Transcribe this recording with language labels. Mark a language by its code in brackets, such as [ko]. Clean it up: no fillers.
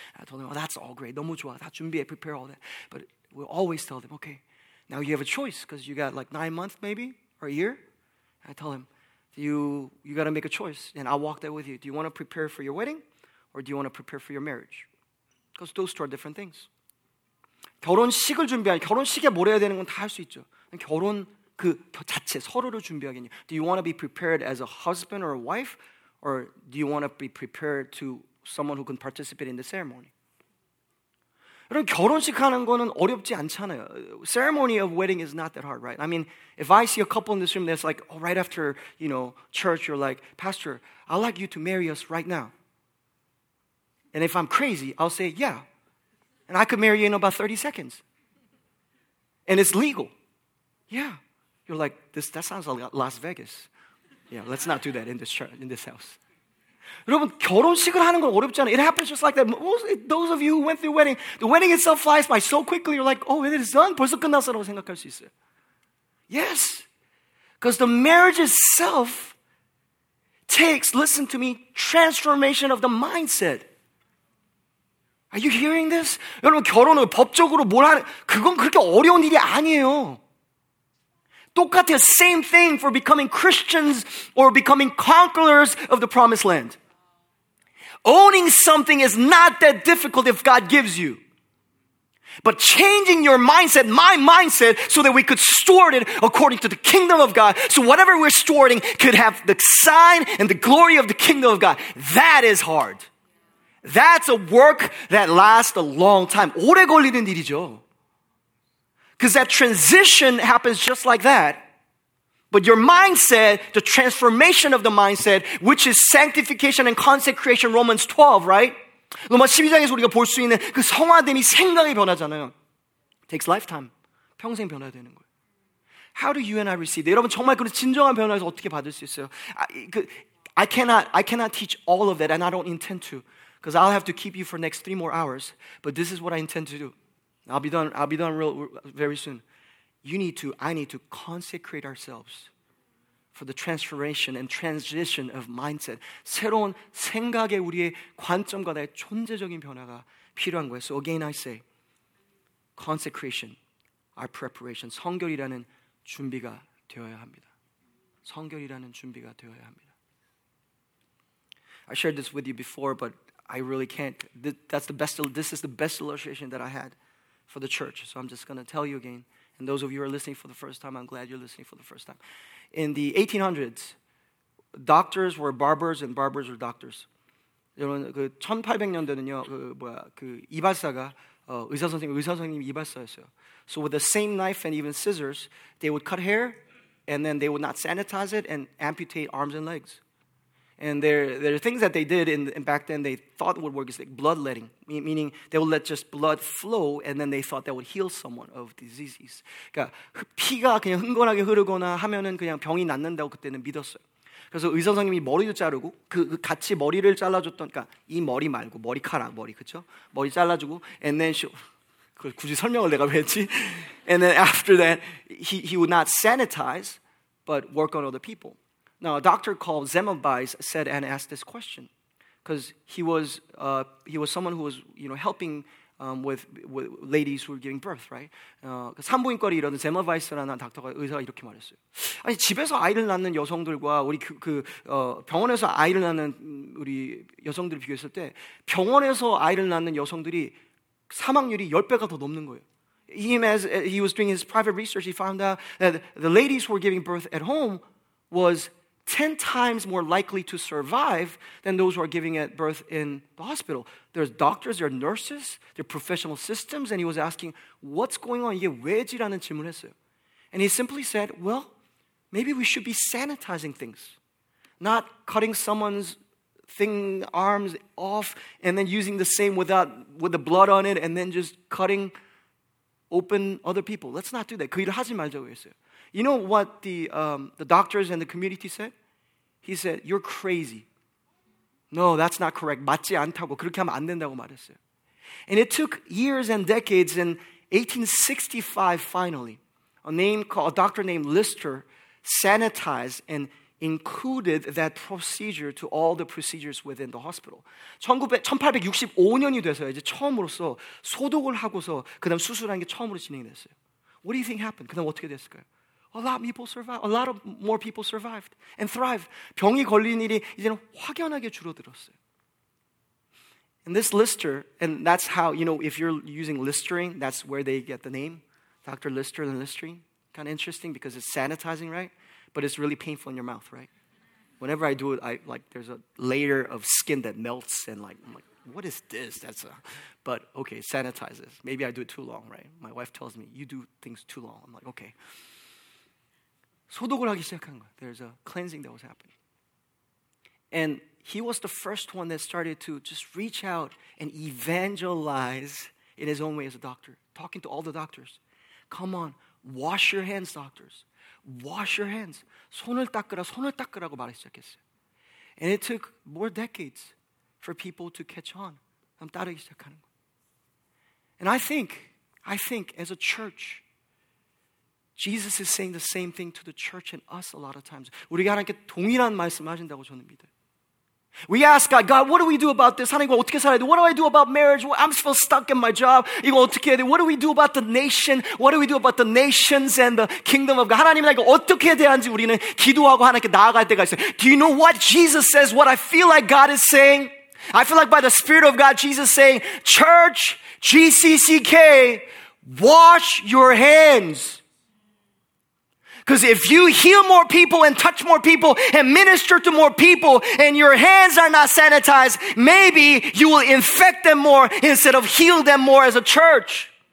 [en] I told them, oh, that's all great. [ko] 너무 좋아. 다 준비해, [en] prepare all that. But we'll always tell them, okay, now you have a choice because you got like 9 months maybe or a year. I tell them, you got to make a choice. And I'll walk that with you. Do you want to prepare for your wedding or do you want to prepare for your marriage? Because those two are different things. [ko] 결혼식을 준비하는, 결혼식에 뭘 해야 되는 건 다 할 수 있죠. 결혼 그 자체, 서로를 준비하겠니? [en] Do you want to be prepared as a husband or a wife? Or do you want to be prepared to someone who can participate in the ceremony? [ko] 여러분, 결혼식 하는 거는 어렵지 않잖아요. [en] Ceremony of wedding is not that hard, right? I mean, if I see a couple in this room that's like, oh, right after, you know, church, you're like, Pastor, I'd like you to marry us right now. And if I'm crazy, I'll say, yeah. And I could marry you in about 30 seconds. And it's legal. Yeah. You're like, that sounds like Las Vegas. Yeah, let's not do that in this house. [ko] 여러분, 결혼식을 하는 건 어렵지 않아요. [en] It happens just like that. Those of you who went through wedding, the wedding itself flies by so quickly, you're like, oh, it is done. [ko] 벌써 끝났어라고 생각할 수 있어요. [en] Yes, because the marriage itself takes, listen to me, transformation of the mindset. Are you hearing this? [ko] 여러분, 결혼을 법적으로 뭘 하는, 그건 그렇게 어려운 일이 아니에요. 똑같아요. [en] Same thing for becoming Christians or becoming conquerors of the promised land. Owning something is not that difficult if God gives you. But changing your mindset, my mindset, so that we could steward it according to the kingdom of God, so whatever we're stewarding could have the sign and the glory of the kingdom of God. That is hard. That's a work that lasts a long time. [ko] 오래 걸리는 일이죠. [en] Because that transition happens just like that. But your mindset, the transformation of the mindset, which is sanctification and consecration, Romans 12, right? [ko] 로마 12장에서 우리가 볼 수 있는 그 성화됨이 생각이 변하잖아요. [en] Takes lifetime. [ko] 평생 변화되는 거예요. [en] How do you and I receive? [ko] 여러분, 정말 그런 진정한 변화에서 어떻게 받을 수 있어요? [en] I cannot teach all of that, and I don't intend to. Because I'll have to keep you for next 3 more hours. But this is what I intend to do. I'll be done real very soon. I need to consecrate ourselves for the transformation and transition of mindset. [ko] 새로운 생각의 우리의 관점과 나의 존재적인 변화가 필요한 거예요. [en] So again I say, consecration, our preparation. [ko] 성결이라는 준비가 되어야 합니다. 성결이라는 준비가 되어야 합니다. [en] I shared this with you before, but I really can't. This is the best illustration that I had for the church. So I'm just going to tell you again. And those of you who are listening for the first time, I'm glad you're listening for the first time. In the 1800s, doctors were barbers and barbers were doctors. [ko] 1800년대는요, 이발사가 의사선생님이 이발사였어요. [en] So with the same knife and even scissors, they would cut hair and then they would not sanitize it and amputate arms and legs. And there are things that they did and back then they thought would work is like bloodletting, meaning they would let just blood flow and then they thought that would heal someone of diseases. [ko] 그러니까 피가 그냥 흥건하게 흐르거나 하면은 그냥 병이 낫는다고 그때는 믿었어요. 그래서 의사 선생님이 머리도 자르고 그 같이 머리를 잘라줬던, 그러니까 이 머리 말고 머리카락 머리, 그렇죠? 머리 잘라주고 [en] and then she, [ko] 그걸 굳이 설명을 내가 왜 했지? [en] And then after that he would not sanitize but work on other people. Now, a doctor called Zemmelweis said and asked this question because he was someone who was, you know, helping with ladies who are giving birth, right? [ko] 산부인과를 이러는 제멀바이스라는 닥터가 의사가 이렇게 말했어요. 아니 집에서 아이를 낳는 여성들과 우리 병원에서 아이를 낳는 우리 여성들을 비교했을 때 병원에서 아이를 낳는 여성들이 사망률이 10배가 더 넘는 거예요. [en] He was doing his private research, he found out that the ladies who were giving birth at home was 10 times more likely to survive than those who are giving at birth in the hospital. There's doctors, there are nurses, there are professional systems, and he was asking, what's going on? [ko] 이게 왜지? 라는 질문을 했어요. [en] And he simply said, well, maybe we should be sanitizing things, not cutting someone's arms off and then using the same with the blood on it and then just cutting open other people. Let's not do that. [ko] 그 일을 하지 말자고 했어요. [en] You know what the doctors and the community said? He said, you're crazy. No, that's not correct. [ko] 맞지 않다고, 그렇게 하면 안 된다고 말했어요. [en] And it took years and decades. In 1865, finally, a doctor named Lister sanitized and included that procedure to all the procedures within the hospital. [ko] 1865년이 돼서 이제 처음으로서 소독을 하고서 그 다음 수술한 게 처음으로 진행이 됐어요. [en] What do you think happened? [ko] 그 다음 어떻게 됐을까요? [en] A lot more people survived and thrived. [ko] 병이 걸린 일이 이제는 확연하게 줄어들었어요. [en] And this Lister, and that's how, you know, if you're using Listerine, that's where they get the name. Dr. Lister and Listerine. Kind of interesting because it's sanitizing, right? But it's really painful in your mouth, right? Whenever I do it, there's a layer of skin that melts and like, I'm like, what is this? But okay, sanitizes. Maybe I do it too long, right? My wife tells me, you do things too long. I'm like, okay. [ko] 소독을 하기 시작한 거예요. [en] There's a cleansing that was happening. And he was the first one that started to just reach out and evangelize in his own way as a doctor, talking to all the doctors. Come on, wash your hands, doctors. Wash your hands. [ko] 손을 닦으라, 손을 닦으라고 말하기 시작했어요. [en] And it took more decades for people to catch on. [ko] 그럼 따르기 시작하는 거예요. [en] And I think as a church, Jesus is saying the same thing to the church and us a lot of times. [ko] 우리가 하나님께 동일한 말씀하신다고 저는 믿어요. [en] We ask God, God, what do we do about this? [ko] 하나님과 어떻게 살아야 돼? [en] What do I do about marriage? I'm still stuck in my job. [ko] 이거 어떻게 해야 돼? [en] What do we do about the nation? What do we do about the nations and the kingdom of God? [ko] 하나님 나 이거 어떻게 해야 되는지 우리는 기도하고 하나님께 나아갈 때가 있어요. [en] Do you know what Jesus says? What I feel like God is saying? I feel like by the Spirit of God, Jesus is saying, Church, GCCK, wash your hands. Because if you heal more people and touch more people and minister to more people and your hands are not sanitized, maybe you will infect them more instead of heal them more as a church.